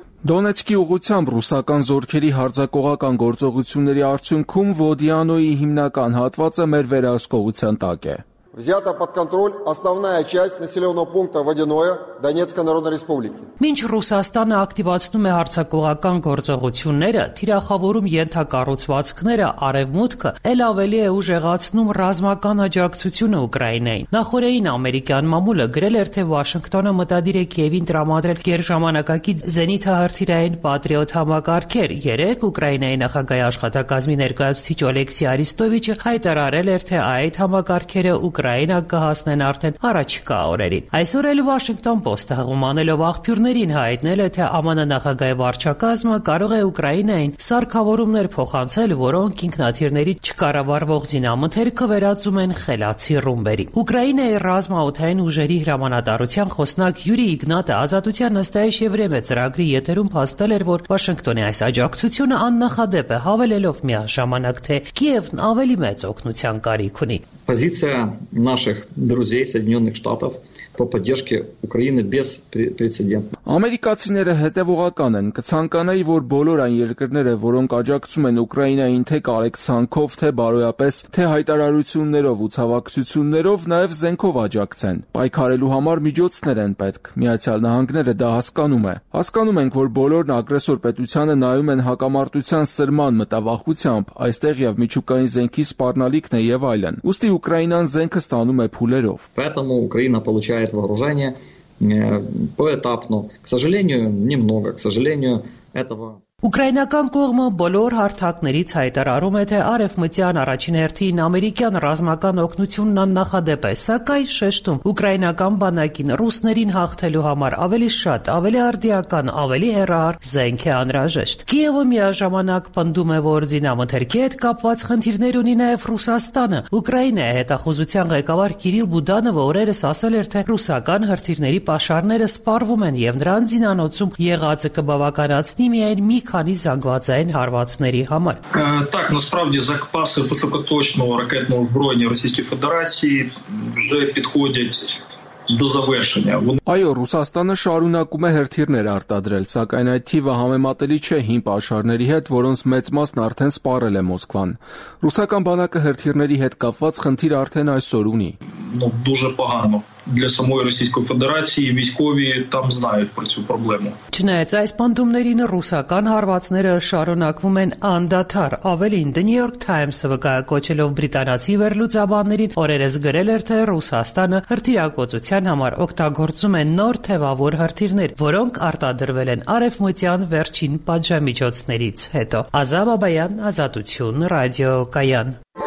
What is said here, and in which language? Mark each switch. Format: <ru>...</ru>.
<hy>Դոնեցկի ուղությամբ ռուսական զորքերի հարձակողական գործողությունների արդյունքում Վոդիանոյի հիմնական հատվածը մեր վերահսկողության տակ է։</hy> <ru>Взята под контроль основная часть населённого пункта Водяное Донецкой Народной Республики։</ru> <hy>Մինչ Ռուսաստանը ակտիվացնում է հարձակողական գործողությունները, թիրախավորում ենթակառուցվածքները, արևմուտքը, այլ ավելի է ուժեղացնում ռազմական աջակցությունը Ուկրաինային։ Նախորդին ամերիկյան մամուլը գրել էր, թե Վաշինգտոնը մտադիր է Կիևին տրամադրել գերժամանակակից Զենիթահրթիրային Պատրիոտ համակարգեր։ Երեկ Ուկրաինայի նախագահի աշխատակազմի ներկայացուցիչ Օլեքսի Արիստովիչը հայտարարել էր, թե այդ համակարգերը Ուկրաինա կհասնեն արդեն առաջիկա օրերին։ Այսօր էլ Վաշինգտոն Պոստը հղումանելով աղբյուրներին հայտնել է, թե ԱՄՆ նախագահի վարչակազմը կարող է Ուկրաինային սարքավորումներ փոխանցել, որոնք ինքնաթիռների չկառավարվող զինամթերքը վերածում են խելացի ռումբերի։ Ուկրաինայի ռազմաութային ուժերի հրամանատարության խոսնակ Յուրի Իգնատը Ազատության Նստայիշ և Վրեմե ծրագրի եթերում փաստել էր, որ Վաշինգտոնի այս աջակցությունը աննախադեպ է, հավելելով միաժամանակ, թե Կիևն ավելի մեծ օգնության կարիք ունի։</hy> <ru>Позиция наших друзей Соединенных Штатов по поддержке Украины беспрецедентна.</ru> <hy>Ամերիկացիները հետևողական են, կցանկանայի, որ բոլոր այն երկրները, որոնք աջակցում են Ուկրաինային թե կարեկցանքով, թե բարոյապես, թե հայտարարություններով ու ցավակցություններով, նաև զենքով աջակցեն։ Պայքարելու համար միջոցներ են պետք։ Միացյալ Նահանգները դա հասկանում է։ Հասկանում ենք, որ բոլորն ագրեսոր պետությանը նայում են հակամարտության սրման մտավախությամբ, այստեղ եւ միջուկային զենքի սպառնալիքն է եւ այլն։ Ուստի Ուկրաինան զենքը ստանում է փուլերով։</hy> <ru>Поэтому Украина получает вооружение поэтапно, к сожалению, немного, к сожалению, этого</ru> <hy>Ուկրաինական կողմը բոլոր հարթակներից հայտարարում է, թե արևմտյան առաջին հերթին ամերիկյան ռազմական օգնությունն աննախադեպ է, սակայն շեշտում ուկրաինական բանակին ռուսներին հաղթելու համար ավելի շատ, ավելի արդիական, ավելի հեռահար զենք է անհրաժեշտ։ Կիևը միաժամանակ պնդում է, որ դինամթերքի հետ կապված խնդիրներ ունի նաև Ռուսաստանը։ Ուկրաինայի հետախուզության ղեկավար Կիրիլ Բուդանովը օրերս ասել էր, թե ռուսական հրթիռների պաշարները սպառվում են և նրանց զինանոցում եղածը կբավականացնի միայն մի քանի զանգվածային հարվածների համար։</hy> <uk>Так, насправді запаси високоточного ракетного озброєння Російської Федерації вже підходять до завершення.</uk> <hy>Այո, Ռուսաստանը շարունակում է հրթիռներ արտադրել, սակայն այդ թիվը համեմատելի չէ հին պաշարների հետ, որոնց մեծ մասն արդեն սպառել է Մոսկվան։ Ռուսական բանակը հրթիռների հետ կապված խնդիր արդեն այսօր ունի։</hy> <uk>Дуже погано. Для самої Російської Федерації військові там знають про цю проблему.</uk> <hy>Չնայած այս պանդումներին, ռուսական հարվածները շարունակվում են անդադար։ Ավելին, The New York Times-ը վկայակոչելով բրիտանացի վերլուծաբանների օրերս գրել էր, թե Ռուսաստանը հրթիռակոծության համար օգտագործում է նոր թևավոր հրթիռներ, որոնք արտադրվել են արևմտյան վերջին պատժամիջոցներից հետո։ Ազաբաբայան, Ազատություն, Ռադիո Կայան։</hy>